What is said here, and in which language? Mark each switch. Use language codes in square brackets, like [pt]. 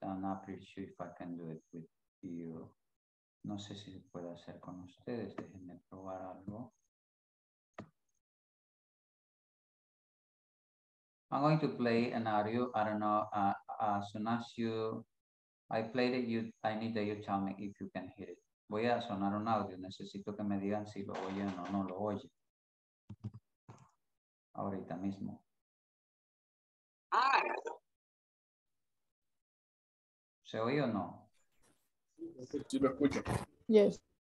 [en] I'm not pretty sure if I can do it with you. [es] No sé si se puede hacer con ustedes. Déjenme probar algo. [en] I'm going to play an audio. I don't know. As soon as I played it, I need that you tell me if you can hear it. [es] Voy a sonar un audio. Necesito que me digan si lo oyen o no lo oyen. Ahorita mismo. Ah. ¿Se oye o no? Sí, lo escucho. [en] Yes.